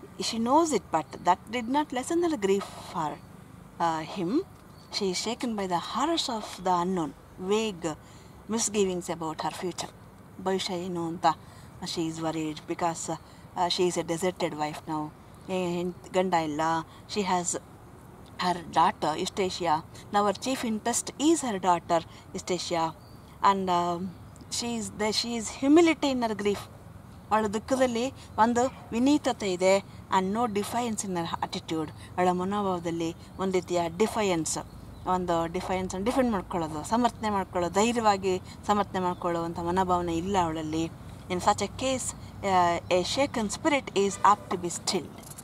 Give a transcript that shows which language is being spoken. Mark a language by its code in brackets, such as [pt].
[en] She knows it but that did not lessen the grief for him. She is shaken by the horrors of the unknown, vague misgivings about her future. [kn] Bhavishya eno anta [en] she is worried because she is a deserted wife now. [kn] Ganda illa, [en] she has her daughter Estacia. Now her chief interest is her daughter Estacia, and she is humility in her grief. [kn] ಅವಳ ದುಃಖದಲ್ಲಿ ಒಂದು ವಿನೀತತೆ ಇದೆ [en] And no defiance in our attitude. [kn] ಅವಳ ಮನೋಭಾವದಲ್ಲಿ ಒಂದು ರೀತಿಯ ಡಿಫೈಯನ್ಸ್, ಒಂದು ಡಿಫೈಯನ್ಸನ್ನು defend ಮಾಡ್ಕೊಳ್ಳೋದು, ಸಮರ್ಥನೆ ಮಾಡ್ಕೊಳ್ಳೋದು, ಧೈರ್ಯವಾಗಿ ಸಮರ್ಥನೆ ಮಾಡ್ಕೊಳ್ಳುವಂಥ ಮನೋಭಾವನೆ ಇಲ್ಲ ಅವಳಲ್ಲಿ. [en] In such a case a shaken spirit is apt to be stilled.